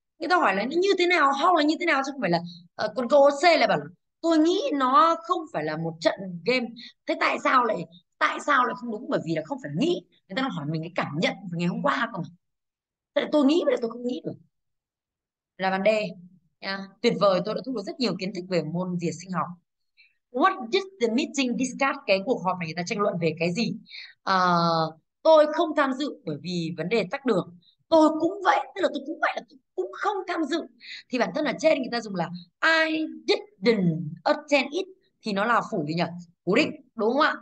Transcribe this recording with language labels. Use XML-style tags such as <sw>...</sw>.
<vi>người ta hỏi là như thế nào, hoặc là như thế nào, chứ không phải là còn câu C lại bảo là, tôi nghĩ nó không phải là một trận game. Thế tại sao lại không đúng? Bởi vì là không phải nghĩ, người ta đang hỏi mình cái cảm nhận của ngày hôm qua cơ mà. Tại tôi nghĩ mà tôi không nghĩ được là vấn đề nha. Tuyệt vời, tôi đã thu được rất nhiều kiến thức về môn diệt sinh học.</vi> <en>What did the meeting discuss?</en> <vi>Cái cuộc họp này người ta tranh luận về cái gì? Tôi không tham dự bởi vì vấn đề tắc đường. Tôi cũng vậy, tức là tôi cũng vậy, là tôi cũng không tham dự. Thì bản thân ở trên người ta dùng là</vi> <en>I didn't attend it,</en> <vi>thì nó là phủ gì nhỉ? Phủ định, đúng không ạ?</vi>